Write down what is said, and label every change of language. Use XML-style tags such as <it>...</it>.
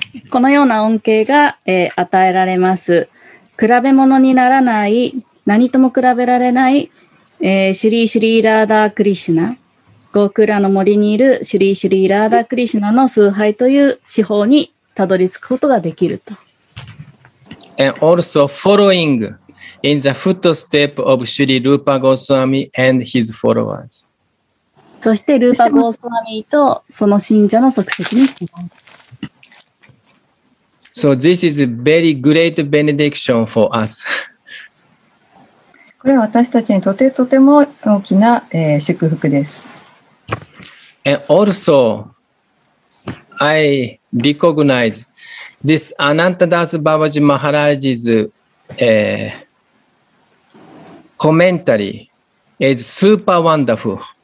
<ja>このような恩恵が、与えられます。比べ物にならない何とも比べられない、シュリーシュリーラーダークリシュナ、ゴークラの森にいるシュリーシュリーラーダークリシュナの崇拝という手法にたどり着くことができると。</ja> <en>And also following in the footstep of Sri Rupa Goswami and his followers.</en> <ja>そしてルーパゴースワミとその信者の足跡に。</ja> <en>So this is a very great benediction for us.</en> <ja>これは私たちにとてとても大きな、祝福です。</ja> <en>And also, I recognize this Anantadas Babaji Maharaj's、commentary is super wonderful.</en>